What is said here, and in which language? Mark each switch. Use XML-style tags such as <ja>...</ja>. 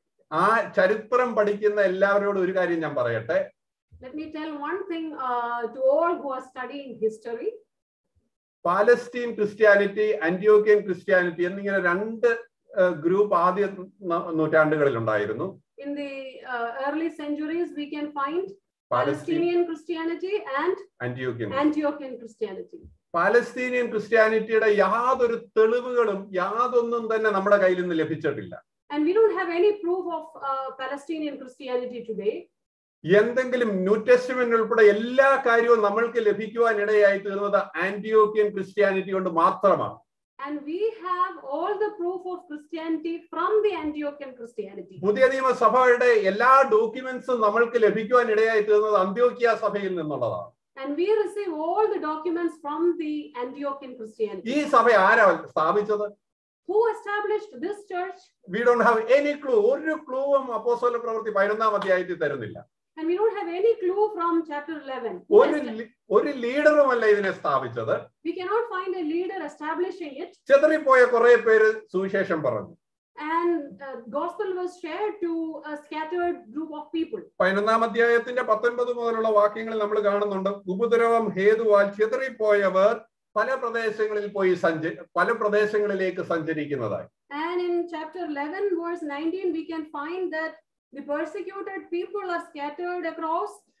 <ml>ആ ചരിത്രം പഠിക്കുന്ന എല്ലാവരോടും ഒരു കാര്യം ഞാൻ പറയട്ടെ.</ml> <en>Let me tell one thing to all who are studying history.</en> <ml>Palestine Christianity, അന്റിയോക്യൻ Christianity എന്നിങ്ങനെ രണ്ട് ഗ്രൂപ്പ് ആദ്യ നൂറ്റാണ്ടുകളിൽ ഉണ്ടായിരുന്നു.</ml> <en>In the early centuries we can find Palestinian Christianity and Antiochian Christianity.</en> <ml>Palestinian ക്രിസ്ത്യാനിറ്റിയുടെ യാതൊരു തെളിവുകളും യാതൊന്നും തന്നെ നമ്മുടെ കയ്യിൽ നിന്ന് ലഭിച്ചിട്ടില്ല.</ml> <en>And we don't have any proof of Palestinian Christianity today.</en> <ml>എന്തെങ്കിലും ന്യൂ ടെസ്റ്റമെന്റ് ഉൾപ്പെടെ എല്ലാ കാര്യവും നമ്മൾക്ക് ലഭിക്കുവാൻ ഇടയായി തീർന്നത് ആന്റിയോക്യൻ ക്രിസ്ത്യാനിറ്റി കൊണ്ട് മാത്രമാണ്.</ml> <en>And we have all the proof of Christianity from the Antiochian Christianity.</en> <ml>പുതിയ നിയമ സഭകളുടെ എല്ലാ ഡോക്യുമെന്റ്സും നമ്മൾക്ക് ലഭിക്കുവാൻ ഇടയായി തീർന്നത് അന്ത്യോക്യ സഭയിൽ നിന്നുള്ളതാണ്.</ml> <en>And we receive all the documents from the Antiochian Christianity.</en> <ml>ഈ സഭ ആരാ സ്ഥാപിച്ചത്?</ml> <en>Who established this church? We don't have any clue.</en> <ml>ഒരു ക്ലൂവും അപ്പോസ്തല പ്രവൃത്തി 11-ാം അധ്യായത്തിൽ തരുന്നില്ല.</ml> <en>And we don't have any clue from chapter 11.</en> <ml>ഒരു ലീഡറും അല്ല ഇതിനെ സ്ഥാപിച്ചത്.</ml> <en>We cannot find a leader establishing it.</en> <ml>ചെതറി പോയ കുറെ പേര് സുവിശേഷം പറഞ്ഞു.</ml> <en>And gospel was shared to a scattered group of people.</en> <ml>11-ാം അധ്യായത്തിന്റെ 19 മുതലുള്ള വാക്യങ്ങളിൽ നമ്മൾ കാണുന്നുണ്ട്, ഉപദ്രവം ഹേതുവാൽ ചെതറി പോയവർ പല പ്രദേശങ്ങളിൽ പോയി പല പ്രദേശങ്ങളിലേക്ക് സഞ്ചരിക്കുന്നതായി.</ml> <en>And in chapter 11 verse 19 we can find that the persecuted people are scattered across.</en>